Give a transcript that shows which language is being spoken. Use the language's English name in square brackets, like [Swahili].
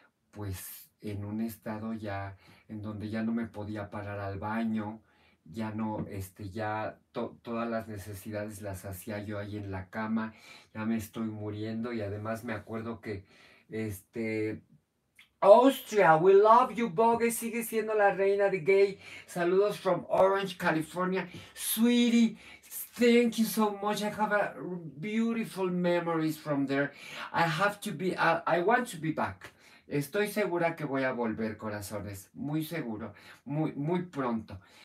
[Spanish] pues en un estado ya en donde ya no me podía parar al baño, ya no, ya todas las necesidades las hacía yo ahí en la cama, ya me estoy muriendo y además me acuerdo que Austria, [English] we love you, [Spanish] Vogue, sigue siendo la reina de gay. Saludos [English] from Orange, California. Sweetie, thank you so much. I have a beautiful memories from there. I want to be back. [Spanish] Estoy segura que voy a volver, corazones. Muy seguro, muy, muy pronto.